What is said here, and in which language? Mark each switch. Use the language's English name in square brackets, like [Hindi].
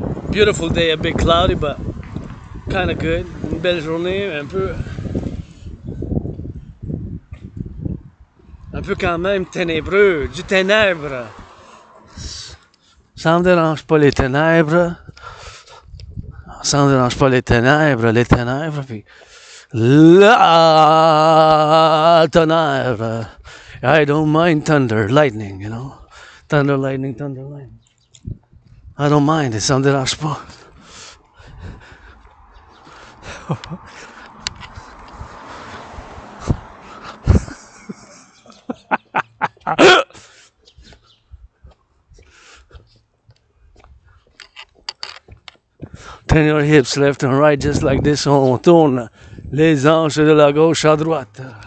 [English] Beautiful day, a bit cloudy, but kind of good. [French] Une belle journée, un peu quand même ténébreux, du ténèbre. Ça me dérange pas les ténèbres. Ça me dérange pas les ténèbres, puis la tonnerre. [English] I don't mind thunder, lightning, you know. Thunder, lightning. I don't mind, it's on the last spot. Turn your hips left and right just like this. [French] On tourne les hanches de la gauche à droite.